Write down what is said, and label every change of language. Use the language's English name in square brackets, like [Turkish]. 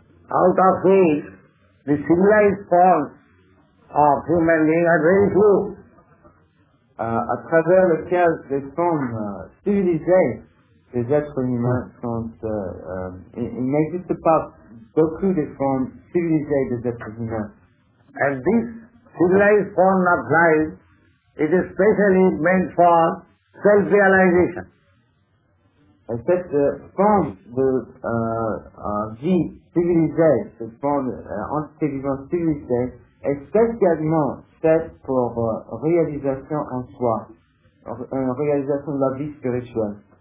[English] Out of which, the civilized forms of human beings are very few. [French] À travers lesquels des formes civilisées des êtres humains sont. Il n'existe pas beaucoup de formes civilisées des êtres humains. [English] And this civilized form of life is especially meant for self-realization. [French] Et cette forme de vie civilisée, cette forme intelligente civilisée, est spécialement faite pour réalisation en soi, une réalisation de la vie spirituelle.